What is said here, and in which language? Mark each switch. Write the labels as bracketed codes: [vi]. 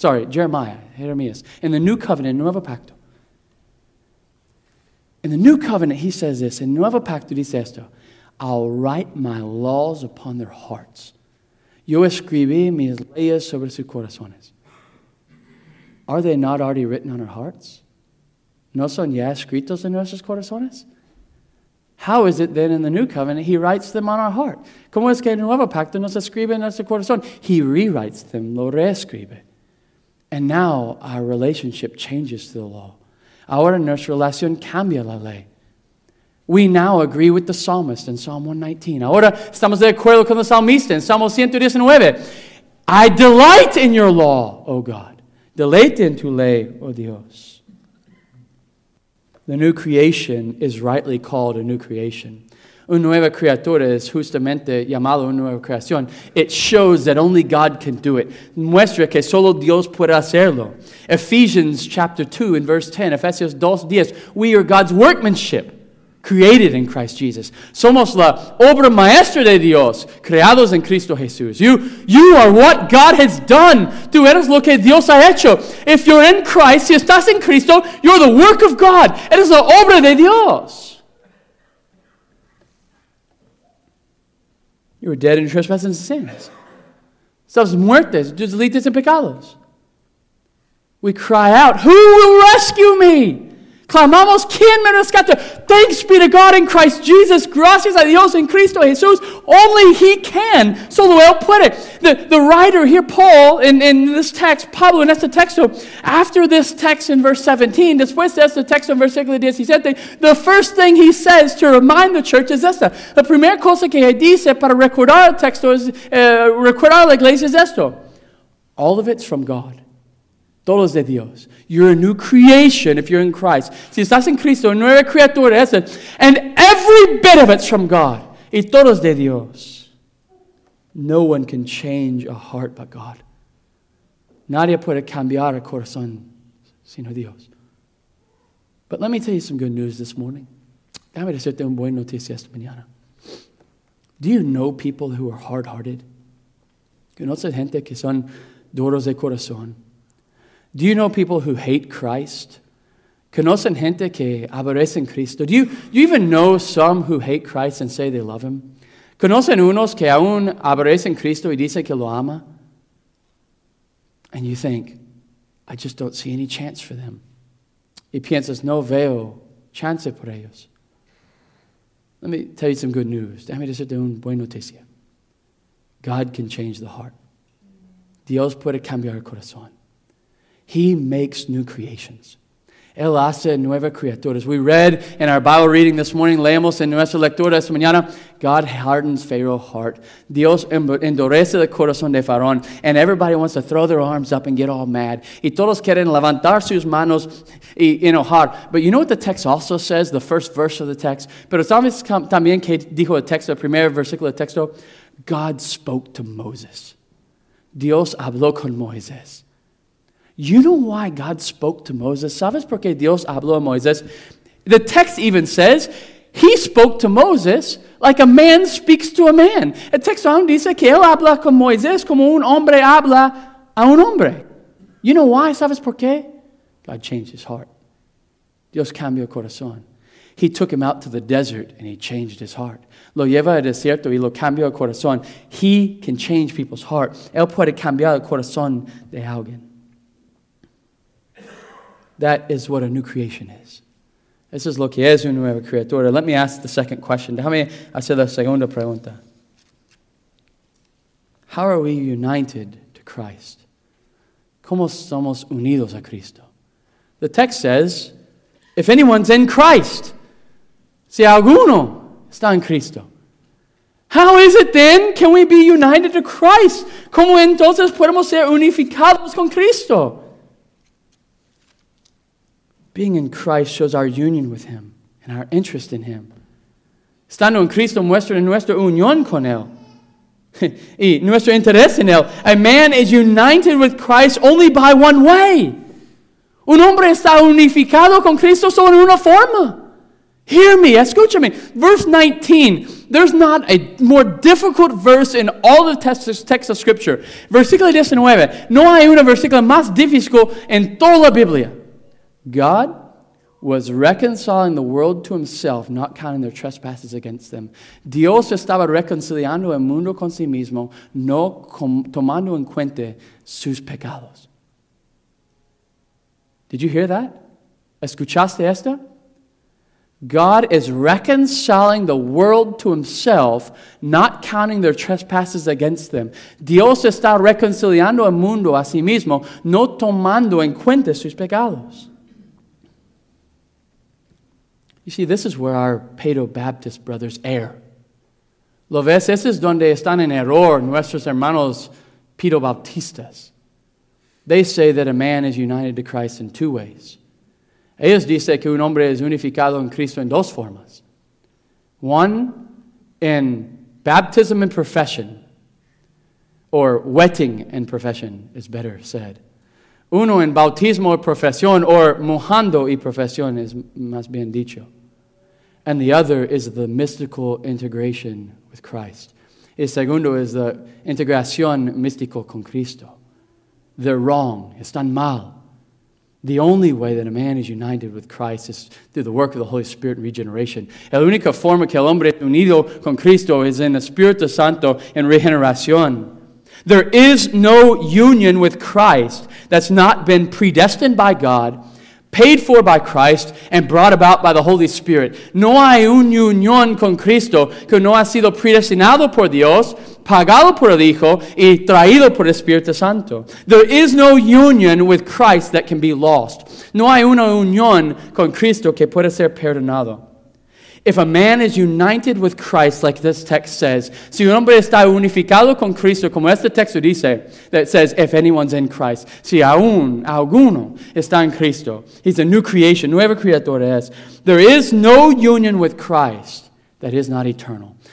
[en] Jeremiah, in the New Covenant, Nuevo Pacto. In the New Covenant, he says this. In [es] Nuevo Pacto, dice esto. [en] I'll write my laws upon their hearts. [es] Yo escribí mis leyes sobre sus corazones. [en] Are they not already written on our hearts? [es] No son ya escritos en nuestros corazones? [en] How is it then in the New Covenant he writes them on our heart? [es] ¿Cómo es que en el Nuevo Pacto nos escribe en nuestro corazón? [en] He rewrites them, [es] lo reescribe. [en] And now our relationship changes to the law. [es] Ahora nuestra relación cambia la ley. [en] We now agree with the psalmist in Psalm 119. [es] Ahora estamos de acuerdo con el salmista en Salmo 119. [en] I delight in your law, O God. [es] Deleite en tu ley, O Dios. [en] The new creation is rightly called a new creation. [es] Una nueva criatura es justamente llamado una nueva creación. [en] It shows that only God can do it. [es] Muestra que solo Dios puede hacerlo. [en] Ephesians chapter 2 and verse 10. Efesios 2:10. We are God's workmanship. Created in Christ Jesus. [es] Somos la obra maestra de Dios. Creados en Cristo Jesús. [en] You are what God has done. [es] Tú eres lo que Dios ha hecho. [en] If you're in Christ, [es] si estás en Cristo, [en] you're the work of God. [es] Eres la obra de Dios. [en] You were dead in trespasses and sins. [es] Estabas muertes, tus delitos y pecados. [en] We cry out, who will rescue me? [es] Clamamos, ¿quién me rescata? [en] Thanks be to God in Christ Jesus. [es] Gracias a Dios en Cristo Jesús. [en] Only he can. [es] Solo él puede. [en] The writer here, Paul, in this text, [es] Pablo, en este texto, [en] after this text in verse 17, [es] después de este texto en versículo 17, [en] the first thing he says to remind the church is esta. [es] La primera cosa que dice para recordar el texto es, recordar la iglesia es esto. [en] All of it's from God. [es] Todo es de Dios. [en] You're a new creation if you're in Christ. [es] Si estás en Cristo, nueva criatura, esa. [en] And every bit of it's from God. [es] Y todo es de Dios. [en] No one can change a heart but God. [es] Nadie puede cambiar el corazón sino Dios. [en] But let me tell you some good news this morning. [es] Dame decirte una buena noticia esta mañana. [en] Do you know people who are hard-hearted? [es] ¿Conoces gente que son duros de corazón? [en] Do you know people who hate Christ? [es] ¿Conocen gente que aborrecen Cristo? [en] Do you even know some who hate Christ and say they love him? [es] ¿Conocen unos que aún aborrecen Cristo y dicen que lo ama? [en] And you think, I just don't see any chance for them. [es] Y piensas, no veo chance por ellos. [en] Let me tell you some good news. [es] Déjame decirte una buena noticia. [en] God can change the heart. [es] Dios puede cambiar el corazón. [en] He makes new creations. [es] Él hace nuevas criaturas. [en] We read in our Bible reading this morning, [es] leemos en nuestra lectura esta mañana, [en] God hardens Pharaoh's heart. [es] Dios endurece el corazón de Faraón. [en] And everybody wants to throw their arms up and get all mad. [es] Y todos quieren levantar sus manos y enojar. [en] But you know what the text also says, the first verse of the text? [es] Pero sabes también que dijo el texto, el primer versículo del texto, [en] God spoke to Moses. [es] Dios habló con Moisés. [en] You know why God spoke to Moses? [es] ¿Sabes por qué Dios habló a Moisés? [en] The text even says, he spoke to Moses like a man speaks to a man. [es] El texto aún dice que él habla con Moisés como un hombre habla a un hombre. [en] You know why? [es] ¿Sabes por qué? [en] God changed his heart. [es] Dios cambió el corazón. [en] He took him out to the desert and he changed his heart. [es] Lo lleva al desierto y lo cambió el corazón. [en] He can change people's heart. [es] Él puede cambiar el corazón de alguien. [en] That is what a new creation is. This is [es] lo que es una nueva criatura. [en] Let me ask the second question. [es] Déjame hacer la segunda pregunta. [en] How are we united to Christ? [es] ¿Cómo somos unidos a Cristo? [en] The text says, if anyone's in Christ, [es] si alguno está en Cristo. [en] How is it then can we be united to Christ? [es] ¿Cómo entonces podemos ser unificados con Cristo? [en] Being in Christ shows our union with Him and our interest in Him. [es] Estando en Cristo muestra nuestra unión con Él y nuestro interés en Él. [en] A man is united with Christ only by one way. [es] Un hombre está unificado con Cristo solo en una forma. [en] Hear me, [es] escúchame. [en] Verse 19, there's not a more difficult verse in all the text of Scripture. [es] Versículo 19, no hay un versículo más difícil en toda la Biblia. [en] God was reconciling the world to Himself, not counting their trespasses against them. [es] Dios estaba reconciliando el mundo con sí mismo, no tomando en cuenta sus pecados. [en] Did you hear that? [es] ¿Escuchaste esto? [en] God is reconciling the world to Himself, not counting their trespasses against them. [es] Dios está reconciliando el mundo a sí mismo, no tomando en cuenta sus pecados. [en] You see, this is where our paedo-baptist brothers err. [es] ¿Lo ves? Ese es donde están en error nuestros hermanos paedo-baptistas. [en] They say that a man is united to Christ in two ways. [es] Ellos dicen que un hombre es unificado en Cristo en dos formas. [en] One, in baptism and profession, or wetting and profession is better said. [es] Uno, en bautismo y profesión, or mojando y profesión es más bien dicho. [en] And the other is the mystical integration with Christ. [es] El segundo is the integración mística con Cristo. [en] They're wrong. [es] Están mal. [en] The only way that a man is united with Christ is through the work of the Holy Spirit and regeneration. [es] La única forma que el hombre es unido con Cristo es en el Espíritu Santo en regeneración. [en] There is no union with Christ that's not been predestined by God, paid for by Christ, and brought about by the Holy Spirit. [es] No hay una unión con Cristo que no ha sido predestinado por Dios, pagado por el Hijo, y traído por el Espíritu Santo. [en] There is no union with Christ that can be lost. [es] No hay una unión con Cristo que pueda ser perdonado. [en] If a man is united with Christ, like this text says, [es] si un hombre está unificado con Cristo, como este texto dice, [en] that says, if anyone's in Christ, [es] si aún, alguno está en Cristo, [en] he's a new creation, [es] nueva criatura es, [en] there is no union with Christ that is not eternal.